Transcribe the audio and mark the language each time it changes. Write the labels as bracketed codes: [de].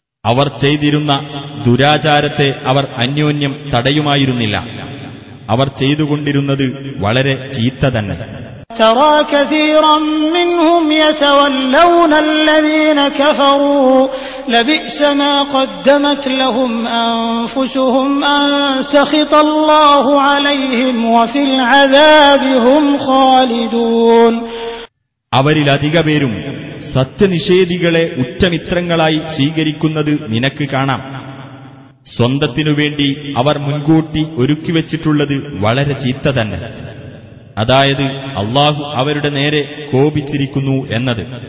[ml] അവർ ചെയ്തിരുന്ന ദുരാചാരത്തെ അവർ അന്യോന്യം തടയുമായിരുന്നില്ല. അവർ ചെയ്തുകൊണ്ടിരുന്നത് വളരെ ചീത്ത തന്നെ. [ar] ترى كثيرا منهم يتولون الذين كفروا لبئس ما قدمت لهم انفسهم ان سخط الله عليهم وفي العذاب هم خالدون [ml] അവരിൽ അധികപേരും സത്യനിഷേധികളെ ഉറ്റമിത്രങ്ങളായി സ്വീകരിക്കുന്നത് നിനക്ക് കാണാം. സ്വന്തത്തിനുവേണ്ടി അവർ മുൻകൂട്ടി ഒരുക്കിവെച്ചിട്ടുള്ളത് വളരെ ചീത്ത തന്നെ. അതായത് അല്ലാഹു അവരുടെ നേരെ കോപിച്ചിരിക്കുന്നു എന്നത്.